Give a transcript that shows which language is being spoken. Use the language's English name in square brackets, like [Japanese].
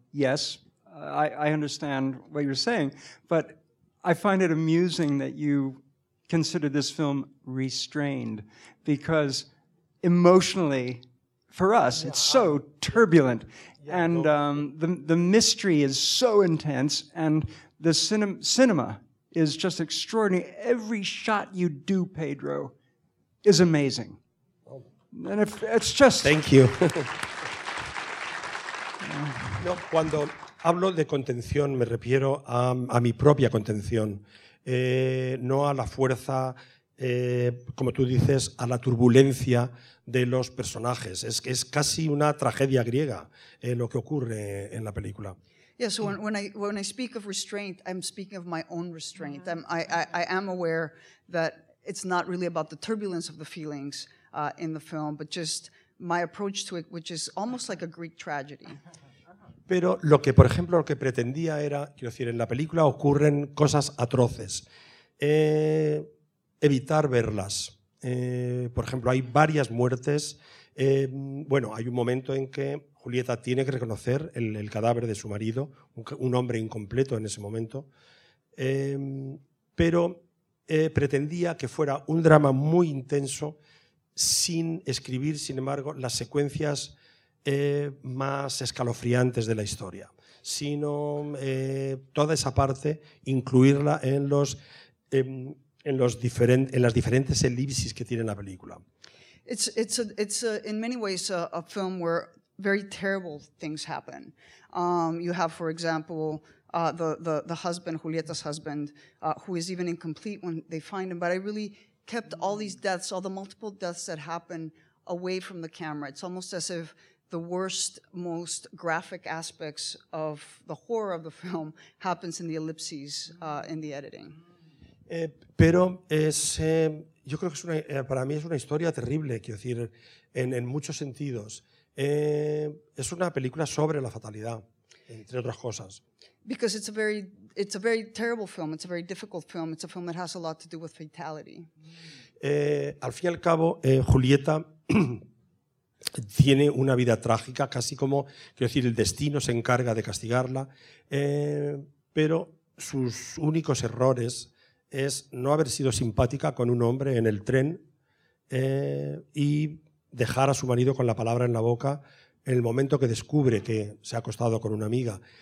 [English] Yes, I understand what you're saying, but I find it amusing that you consider this film restrained, because emotionally, for us, it's so turbulent, and the mystery is so intense, and the cinema is just extraordinary. Every shot you do, Pedro, is amazing, and it's just. Thank you. [Spanish] No, cuando hablo de contención, me refiero a mi propia contención, no a la fuerza. Como tú dices, a la turbulencia de los personajes. Es casi una tragedia griega lo que ocurre en la película. [English] Yeah, so when I speak of restraint, I'm speaking of my own restraint. I am aware that it's not really about the turbulence of the feelings in the film, but just my approach to it, which is almost like a Greek tragedy. [Spanish] Pero lo que, por ejemplo, lo que pretendía era, quiero decir, en la película ocurren cosas atroces. Evitar verlas. Por ejemplo, hay varias muertes. Bueno, hay un momento en que Julieta tiene que reconocer el cadáver de su marido, un hombre incompleto en ese momento, pero pretendía que fuera un drama muy intenso sin escribir, sin embargo, las secuencias más escalofriantes de la historia, sino toda esa parte, incluirla en las diferentes elipsis que tiene la película. [English] It's in many ways a film where very terrible things happen. You have, for example, the husband, Julieta's husband, who is even incomplete when they find him. But I really kept all these deaths, all the multiple deaths that happen, away from the camera. It's almost as if the worst, most graphic aspects of the horror of the film happens in the ellipses in the editing. [Spanish] Yo creo que es una, para mí es una historia terrible, quiero decir, en muchos sentidos. Es una película sobre la fatalidad, entre otras cosas. [English] Because it's a very terrible film, it's a very difficult film, it's a film that has a lot to do with fatality. [Spanish] Al fin y al cabo, Julieta tiene una vida trágica, casi como, quiero decir, el destino se encarga de castigarla, pero sus únicos errores es no haber sido simpática con un hombre en el tren y dejar a su marido con la palabra en la boca en el momento que descubre que se ha acostado con una amiga.